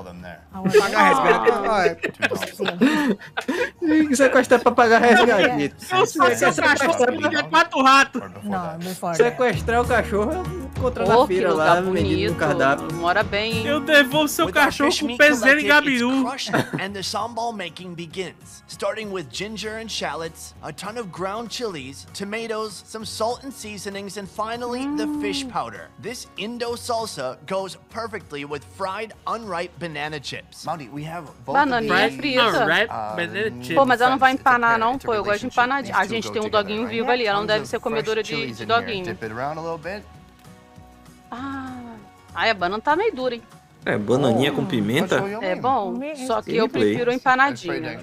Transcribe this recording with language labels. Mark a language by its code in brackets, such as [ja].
[pt] Pagar resgate. Sequestrar pra pagar resgate. Se eu fosse esse cachorro, eu pedia quatro ratos. Sequestrar o cachorro, encontrar na feira lá, vendido no cardápio. Mora bem. Eu devolvo seu cachorro com pezinho e gabiru. [en] And the sambal making begins. Starting with ginger and shallots, a ton of ground chilies, tomatoes, some salt and seasonings, and finally the fish powder. This Indo salsa goes perfectly with fried unripe banana chips. Mandy, we have both bananinha the frita. [pt] Pô, mas ela não vai empanar não, pô. Eu gosto de empanadinha. A gente tem um doguinho vivo ali. Ela não deve ser comedora de doguinho. [en] Dip it around a little bit. [pt] Ah, a banana tá meio dura, hein? É, bananinha com pimenta? É bom, só que eu prefiro empanadinho.